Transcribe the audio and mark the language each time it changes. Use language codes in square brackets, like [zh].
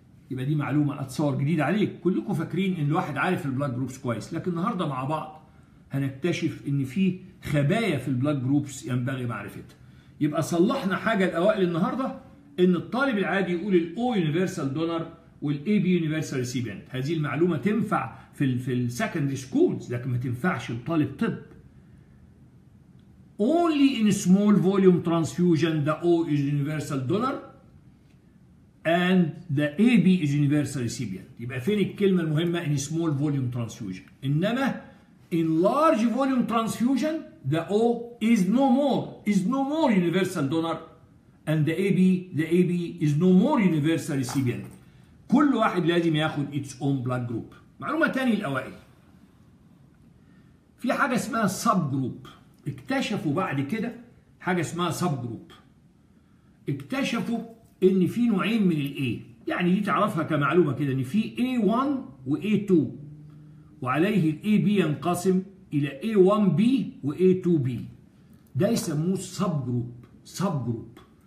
[ar] يبقى دي معلومة أتصور جديدة عليك، كلكم فاكرين إن الواحد عارف البلاد جروبس كويس، لكن النهاردة مع بعض هنكتشف إن في خبايا في البلاد جروبس ينبغي معرفتها. يبقى صلحنا حاجة الأوائل النهاردة، إن الطالب العادي يقول الأو يونيفرسال دونر والأي بي يونيفرسال ريسيبيانت، هذه المعلومة تنفع في السكندري سكولز، لكن ما تنفعش الطالب طب. [en] Only in small volume transfusion the O is universal donor and the AB is universal recipient. [ar] يبقى فين الكلمه المهمه [en] in small volume transfusion؟ انما in large volume transfusion the O is no more universal donor and the AB is no more universal recipient. [ar] كل واحد لازم ياخد [en] its own blood group. [ar] معلومه ثانيه الاوائل، في حاجه اسمها sub group، اكتشفوا بعد كده حاجه اسمها sub group، اكتشفوا ان في نوعين من الاي، يعني دي تعرفها كمعلومه كده، ان في اي 1 واي 2 وعليه الاي بي ينقسم الى اي 1 بي واي 2 بي، ده يسموه سب جروب.